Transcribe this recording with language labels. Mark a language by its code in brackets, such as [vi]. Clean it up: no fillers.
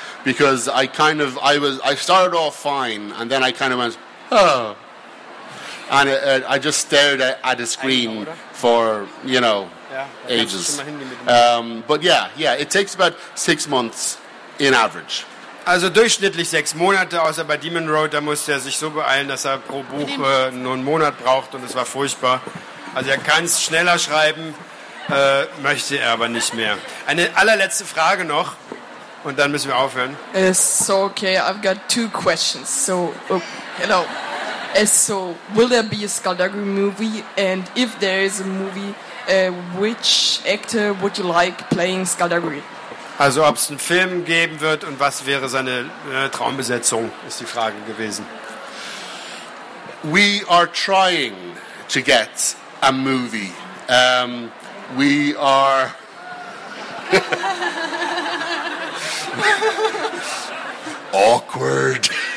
[en] Because I started off fine, and then I kind of went, oh. And I just stared at a screen for, you know, ages. But, it takes about 6 months in average. [de] Also durchschnittlich 6 Monate, außer bei Demon Road, da musste er sich so beeilen, dass er pro Buch nur einen Monat braucht und es war furchtbar. Also er kann es schneller schreiben, möchte er aber nicht mehr. Eine allerletzte Frage noch und dann müssen wir aufhören. [en] It's okay, I've got two questions. So, oh, hello. So, will there be a Skullduggery movie? And if there is a movie, which actor would you like playing Skullduggery? [de] Also, ob es einen Film geben wird und was wäre seine Traumbesetzung, ist die Frage gewesen. [en] We are trying to get a movie. We are... Awkward.